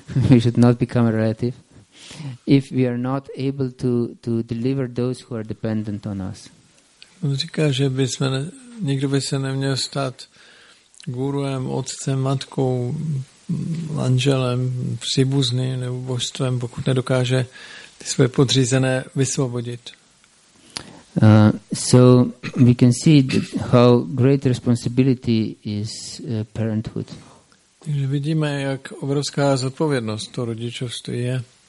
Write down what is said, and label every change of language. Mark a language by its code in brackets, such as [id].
[en] We should not become a relative if we are not able to deliver those who are dependent on us. [cs] On říká, že nikdo by se neměl stát guruem, otcem, matkou, manželem, příbuzným nebo božstvem, pokud nedokáže ty své podřízené vysvobodit. [en] So we can see how great responsibility is parenthood. [cs] Takže vidíme, jak obrovská zodpovědnost to rodičovství je.